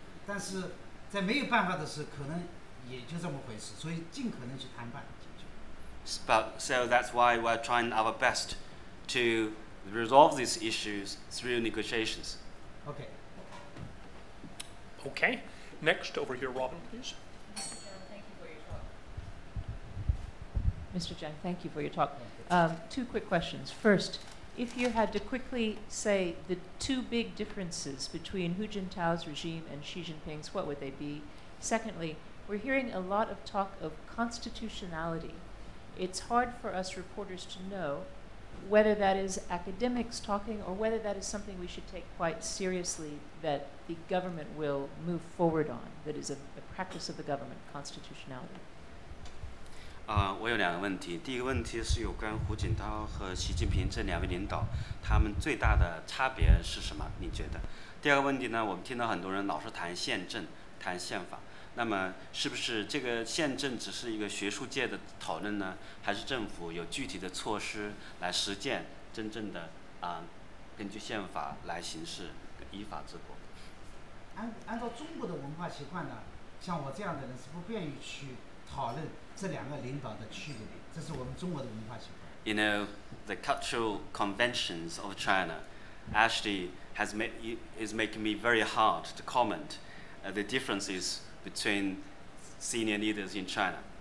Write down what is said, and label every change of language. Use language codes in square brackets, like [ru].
[zh] 但是在没有办法的时候，可能也就这么回事，所以尽可能去谈判解决。 [en] But so that's why we're trying our best to resolve these issues through negotiations. Okay. Okay. Next, over here, Robin, please. Mr. Jiang, thank you for your talk. Two quick questions. First. If you had to quickly say the two big differences between Hu Jintao's regime and Xi Jinping's, what would they be? Secondly, we're hearing a lot of talk of constitutionality. It's hard for us reporters to know whether that is academics talking or whether that is something we should take quite seriously that the government will move forward on, that is a practice of the government, constitutionality. [zh] 我有两个问题。第一个问题是有关胡锦涛和习近平这两位领导，他们最大的差别是什么？你觉得？第二个问题呢？我们听到很多人老是谈宪政、谈宪法，那么是不是这个宪政只是一个学术界的讨论呢？还是政府有具体的措施来实践，真正的根据宪法来行事，依法治国？按照中国的文化习惯呢，像我这样的人是不便于去讨论。 [en] You know, the cultural conventions of China actually is making me very hard to comment the differences between senior leaders in China.